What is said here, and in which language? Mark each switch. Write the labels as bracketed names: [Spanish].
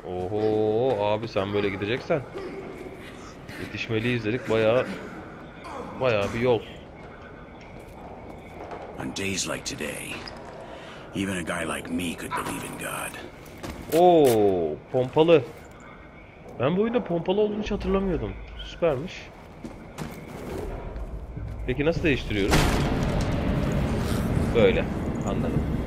[Turkish] Oho, abi sen böyle gideceksen yetişmeliyiz dedik. Bayağı bir yol. [English] On days like today, even a guy like me could believe in God. [Turkish] Oo, pompalı. Ben bu oyunda pompalı olduğunu hiç hatırlamıyordum. Süpermiş. Peki nasıl değiştiriyoruz? Böyle. Anladım.